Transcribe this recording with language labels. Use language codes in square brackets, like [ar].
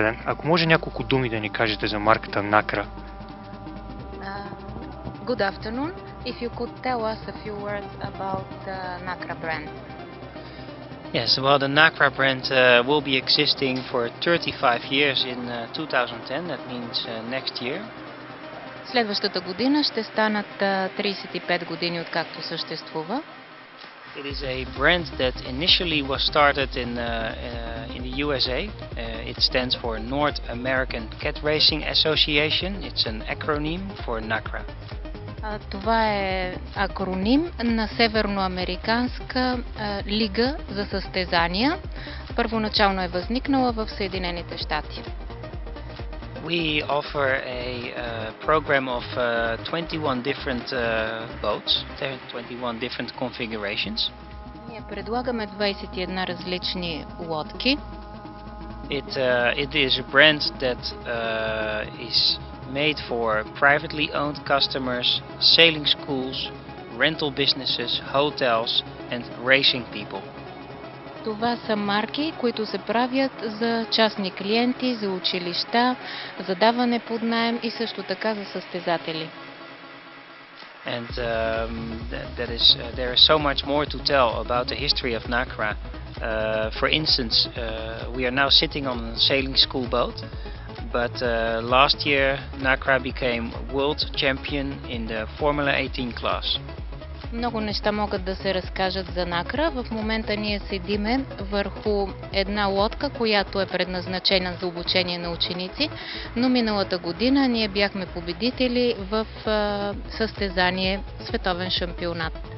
[bg] Ако може няколко думи да ни кажете за марката Nacra. [en] Good afternoon. If you could tell us a few words about the Nacra brand. Yes, well, the Nacra brand will be existing for 35 years in 2010. That means next year. [bg] Следващата година ще станат 35 години откакто съществува. [en] It is a brand that initially was started in the USA. It stands for North American Cat Racing Association. It's an acronym for Nacra. [bg] Това е акроним на Северноамериканска лига за състезания. Първоначално е възникнала в Съединените щати. [en] We offer a program of 21 different boats. There are 21 different configurations. [bg] Ние предлагаме 21 различни лодки. [en] It is a brand that is made for privately owned customers, sailing schools, rental businesses, hotels and racing people. [bg] Това са марки, които се правят за частни клиенти, за училища, за даване под наем и също така за състезатели. [en] And that is there is so much more to tell about the history of Nacra. For instance, we are now sitting on a sailing school boat, but last year Nacra became world champion in the Formula 18 class. [bg] Много неща могат да се разкажат за Nacra. В момента ние седиме върху една лодка, която е предназначена за обучение на ученици, но миналата година ние бяхме победители в състезание световен шампионат.